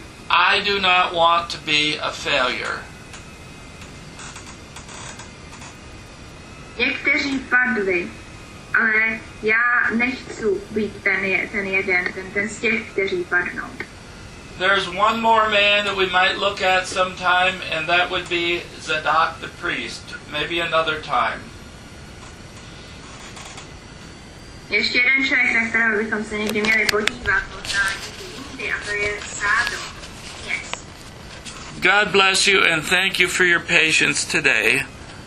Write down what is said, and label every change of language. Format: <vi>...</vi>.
<en>I do not want to be a failure.</en> <cs>Někteří padli, ale já nechci být ten jeden z těch, kteří padnou.</cs> <en>There's one more man that we might look at sometime, and that would be Zadok the priest. Maybe another time.</en> <cs>Ještě jeden člověk, na kterého bychom se někdy měli podívat, možná někdy jindy, a to je Sádok.</cs> <en>God bless you and thank you for your patience today.</en>